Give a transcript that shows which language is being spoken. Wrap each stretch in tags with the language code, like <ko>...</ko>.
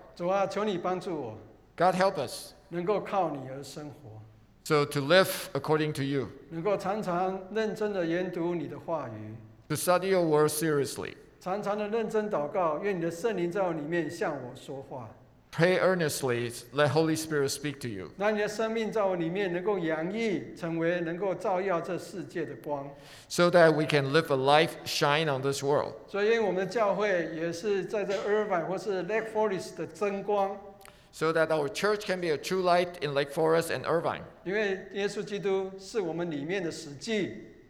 <zh>主啊, 求你帮助我,</zh> <en>God help us,</en> <zh>能够靠你而生活。</zh> <en>So to live according to you.</en> <zh>能够常常认真地研读你的话语。</zh> <en>To study your word seriously.</en> <zh>常常地认真祷告，愿你的圣灵在我里面向我说话。</zh> <en>Pray earnestly, let Holy Spirit speak to you.</en> <zh>让你的生命在我里面能够洋溢，成为能够照耀这世界的光。</zh> <en>So that we can live a life shine on this world.</en> <zh>所以我们的教会也是在这 Irvine 或是 Lake Forest 的真光。</zh> <en>So that our church can be a true light in Lake Forest and Irvine.</en> <zh>因为耶稣基督是我们里面的实际。</zh>